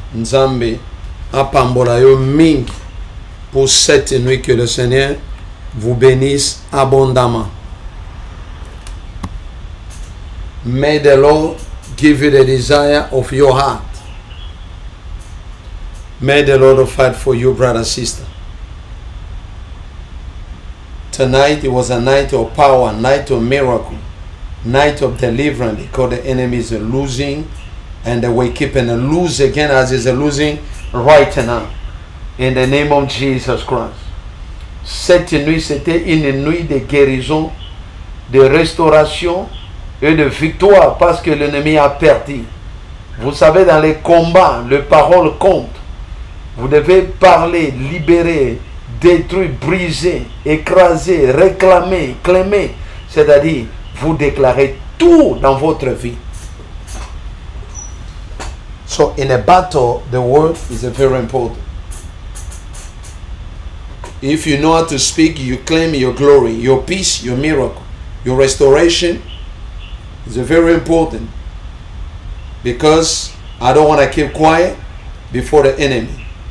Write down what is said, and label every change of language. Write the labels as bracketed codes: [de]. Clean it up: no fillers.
[ln] Nzambe, apambola yo ming [fr] pour cette nuit que le Seigneur vous bénisse abondamment. [en] May the Lord give you the desire of your heart. May the Lord fight for you, brother, sister. Tonight it was a night of power, night of miracle, night of deliverance, because the enemy is losing and we keep and lose again as he's losing right now. In the name of Jesus Christ. [fr] Cette nuit, c'était une nuit de guérison, de restauration et de victoire parce que l'ennemi a perdu. Vous savez, dans les combats, les paroles comptent. Vous devez parler, libérer, détruit, brisé, écrasé, réclamé, clémé. C'est-à-dire, vous déclarez tout dans votre vie. [en] So in a battle, the word is very important. If you know how to speak, you claim your glory, your peace, your miracle, your restoration is very important. Because I don't want to keep quiet before the enemy.